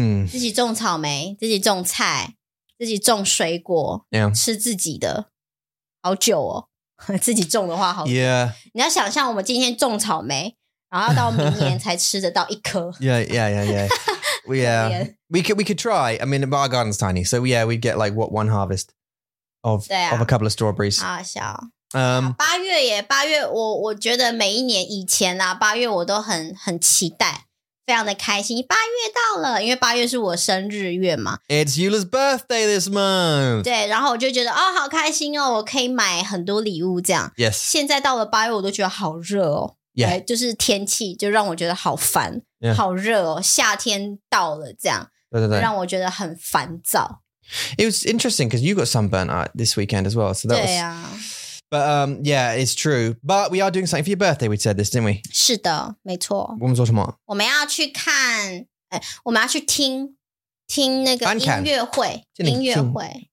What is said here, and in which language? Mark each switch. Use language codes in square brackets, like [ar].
[zh] 自己种草莓，自己种菜，自己种水果。 [en] Yeah. [zh] 吃自己的。好久哦。自己种的话好久。 [en] Yeah. [zh] 你要想象我们今天种草莓，然后到明年才吃得到一颗。 [en] Yeah. We could try. I mean, our garden's tiny. So yeah, we'd get like, what, one harvest? Of a couple of strawberries. [zh] 好小。八月耶，八月我觉得每一年以前啦，八月我都很期待，非常的开心。八月到了，因为八月是我生日月嘛。 [en] It's Eula's birthday this month. [zh] 对，然后我就觉得哦，好开心哦，我可以买很多礼物这样。 [en] Yes. [zh] 现在到了八月，我都觉得好热哦。 [en] Yeah. [zh] 就是天气就让我觉得好烦， [en] yeah. [zh] 好热哦，夏天到了这样，对对对，让我觉得很烦躁。 [en] It was interesting because you got sunburned out this weekend as well. So that was, but yeah, it's true. But we are doing something for your birthday. We said this, didn't we? [zh] 是的，没错。我们做什么？我们要去看，我们要去听那个音乐会，音乐会，